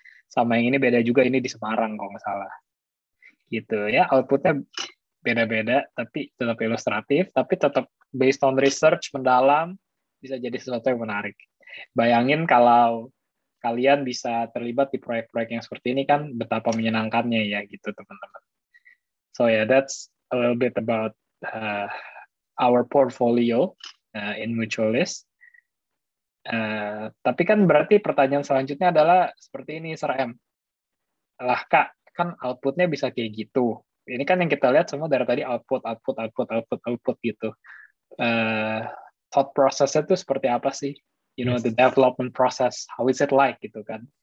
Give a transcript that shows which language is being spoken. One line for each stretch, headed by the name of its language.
Indonesian: Sama yang ini beda juga, ini di Semarang kalau nggak salah. Gitu ya, outputnya beda-beda, tapi tetap ilustratif, tapi tetap
English: based on research,
Indonesian: mendalam, bisa jadi sesuatu yang menarik. Bayangin kalau kalian bisa terlibat di proyek-proyek yang seperti ini kan, betapa menyenangkannya ya, gitu teman-teman.
English: So yeah, that's a little bit about our portfolio in Mutualist.
Indonesian: Tapi kan berarti pertanyaan selanjutnya adalah seperti ini, Sir M. Lah kak, kan outputnya bisa kayak gitu. Ini kan yang kita lihat semua dari tadi output gitu. Thought process-nya tuh seperti apa sih?
English: You know, yes. The development process, how is it like gitu kan?